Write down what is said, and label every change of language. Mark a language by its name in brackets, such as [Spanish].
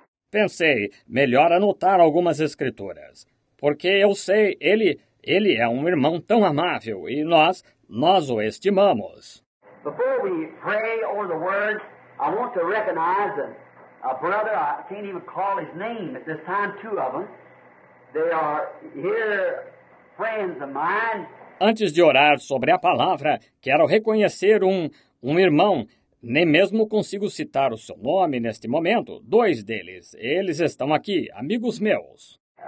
[Portuguese] Pensei, melhor anotar algumas escrituras, porque eu sei, ele é um irmão tão amável e nós o estimamos. [English] Before we pray over the word, I want to recognize a brother, I can't even call his name at this time, two of them. They are here friends of mine. [Portuguese] Antes de orar sobre a palavra, quero reconhecer um irmão. Nem mesmo consigo citar o seu nome neste momento. Dois deles, eles estão aqui, amigos meus.